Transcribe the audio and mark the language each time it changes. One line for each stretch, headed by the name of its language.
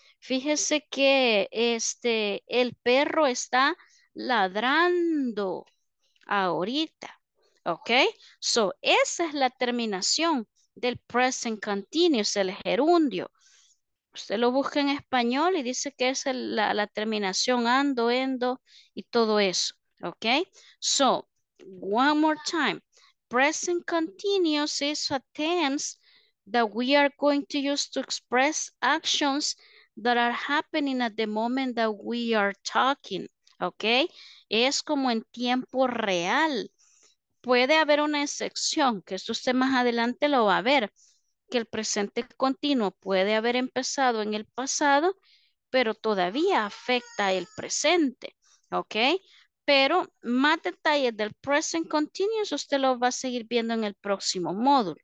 Spanish: Fíjese que el perro está ladrando ahorita, ¿ok? So, esa es la terminación del present continuous, el gerundio. Usted lo busca en español y dice que es la terminación ando, endo y todo eso, ¿ok?
English: So, one more time. Present continuous is a tense that we are going to use to express actions that are happening at the moment that we are talking.
Spanish: ¿Ok? Es como en tiempo real. Puede haber una excepción, que esto usted más adelante lo va a ver, que el presente continuo puede haber empezado en el pasado, pero todavía afecta el presente. ¿Ok? Pero más detalles del present continuous usted lo va a seguir viendo en el próximo módulo.